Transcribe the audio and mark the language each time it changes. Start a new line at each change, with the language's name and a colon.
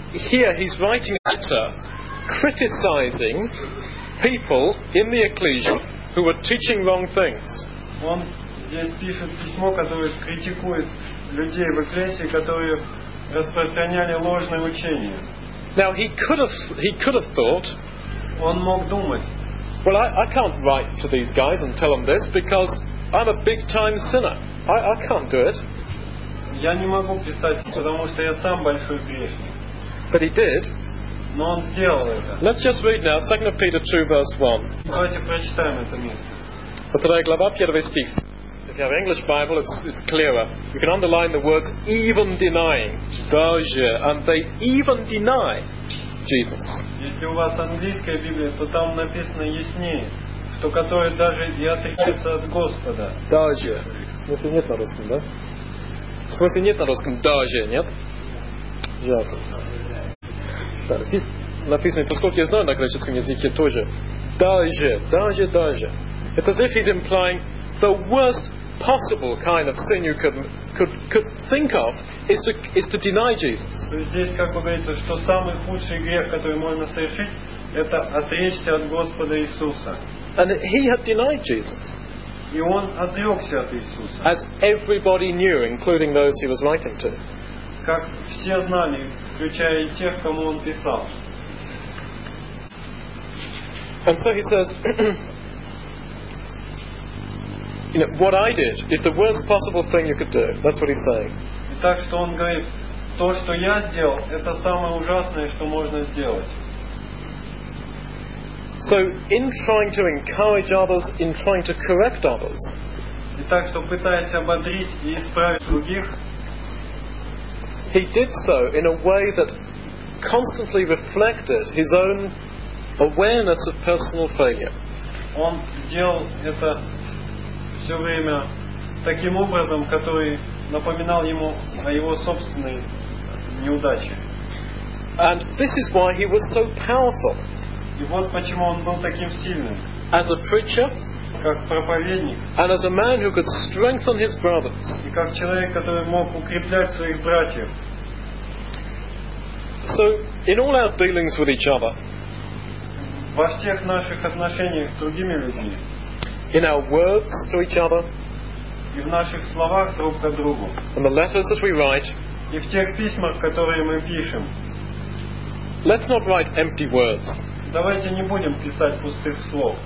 English: Here he's writing a letter criticizing people in the ecclesia who were teaching wrong things.
Russian: Он здесь пишет письмо, которое критикует людей в Ефесе, которые распространяли ложное учение.
English: Now he could have thought.
Russian: Он мог думать.
English: Well, I can't write to these guys and tell them this because I'm a big time sinner. I can't do it.
Russian: Я не могу писать, потому что я сам большой грешник.
English: But he did.
Russian: Но он сделал это.
English: Let's just read now 2 Peter 2 verse 1.
Russian: Давайте прочитаем это место. Вторая глава, первый стих.
English: If you have English Bible, it's clearer. You can underline the words "even denying."
Russian: Даже,
English: and they even deny Jesus.
Russian: Если у вас английская Библия, то там написано яснее, что которые даже и отрекаются от Господа. Даже. В смысле нет на русском, да? В смысле нет на русском даже, нет? Жалко. Да, здесь написано, поскольку я знаю на греческом языке тоже. Даже, даже, даже.
English: It's as if he's implying the worst possible kind of sin you could think of is to deny Jesus.
Russian: Здесь как бы говорится, что самый худший грех, который можно совершить, это отречься от Господа Иисуса.
English: And he had denied Jesus.
Russian: И он отрекся от Иисуса.
English: As everybody knew, including those he was writing to.
Russian: Как все знали, включая и тех, кому он писал.
English: And so he says, you know, what I did is the worst possible thing you could do. That's what he's saying.
Russian: Так что он говорит, то, что я сделал, это самое ужасное, что можно сделать.
English: So, in trying to encourage others, in trying to correct others.
Russian: Так что пытаясь ободрить и исправить других.
English: He did so in a way that constantly reflected his own awareness of personal failure.
Russian: Он сделал это все время таким образом, который напоминал ему о его собственной неудаче.
English: And this is why he was so powerful.
Russian: И вот почему он был таким сильным.
English: As a preacher,
Russian: как проповедник,
English: and as a man who could strengthen his brothers,
Russian: и как человек, который мог укреплять своих братьев.
English: So, in all our dealings with each other,
Russian: во всех наших отношениях с другими людьми,
English: in our words to each other,
Russian: и в наших словах друг к другу,
English: in the letters that we write,
Russian: и в тех письмах, которые мы пишем,
English: let's not write empty words.
Russian: Давайте не будем писать пустых слов.